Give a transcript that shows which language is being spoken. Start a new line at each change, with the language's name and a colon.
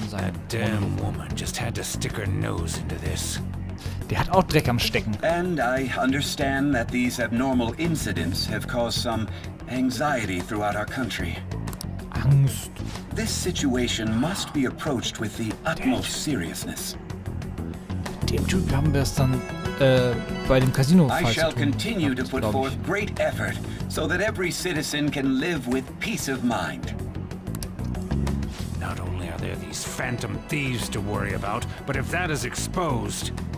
English: That damn woman just had to stick her nose into this.
German: Der hat auch Dreck am Stecken.
English: And I understand that these abnormal incidents have caused some anxiety throughout our country.
German: Angst.
English: This situation must be approached with the utmost seriousness.
German: Dem Typ haben wir es dann bei dem Casino falsch gemacht.
English: I shall continue to put forth great effort, so that every citizen can live with peace of mind. Not only are there these phantom thieves to worry about, but if that is exposed.